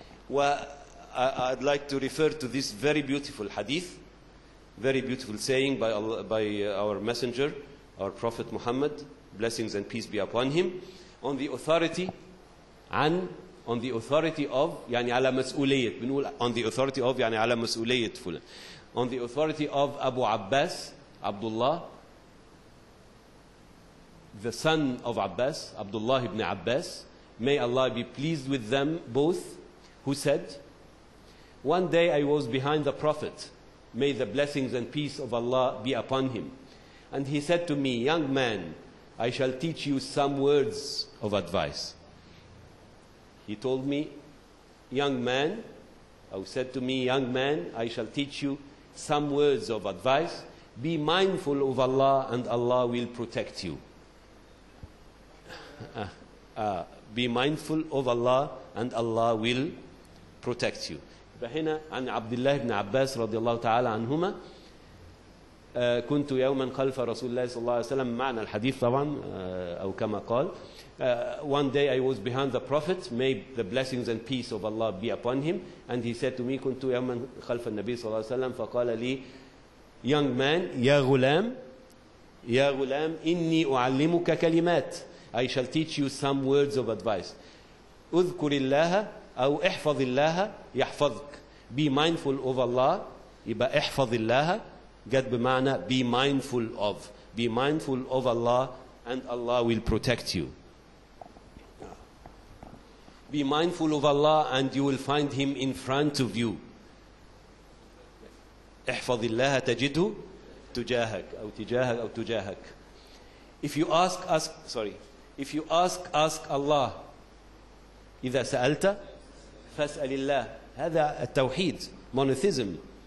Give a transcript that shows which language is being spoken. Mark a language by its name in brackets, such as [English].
[English] I'd like to refer to this very beautiful hadith, very beautiful saying by our messenger, our Prophet Muhammad, blessings and peace be upon him, on the authority of [Arabic] يعني على مسؤولية. بنقول [English] on the authority of [Arabic] يعني على مسؤولية فلان. [English] On the authority of Abu Abbas Abdullah, the son of Abbas, Abdullah ibn Abbas, may Allah be pleased with them both, who said, one day I was behind the Prophet, may the blessings and peace of Allah be upon him, and he said to me, young man, I shall teach you some words of advice. He told me, young man, or said to me, young man, I shall teach you some words of advice. Be mindful of Allah and Allah will protect you. Be mindful of Allah and Allah will protect you. [Arabic] فهنا عن عبد الله بن عباس رضي الله تعالى عنهما. كنت يوما خلف رسول الله صلى الله عليه وسلم, معنى الحديث طبعا أو كما قال, [English] one day I was behind the Prophet, may the blessings and peace of Allah be upon him, and he said to me, [Arabic] كنت يوما خلف النبي صلى الله عليه وسلم, فقال لي, [English] young man, [Arabic] يا غلام إني أعلمك كلمات, [English] I shall teach you some words of advice. [Arabic] أذكر الله أو احفظ الله يحفظك. [English] Be mindful of Allah. [Arabic] يبقى احفظ الله جد بمعنى [English] be mindful of. Be mindful of Allah and Allah will protect you. Be mindful of Allah and you will find him in front of you. [Arabic] احفظ الله تجده تجاهك أو تجاهك أو تجاهك. [English] If you ask Allah, [Arabic] إذا سألت فاسأل الله. هذا التوحيد, monotheism.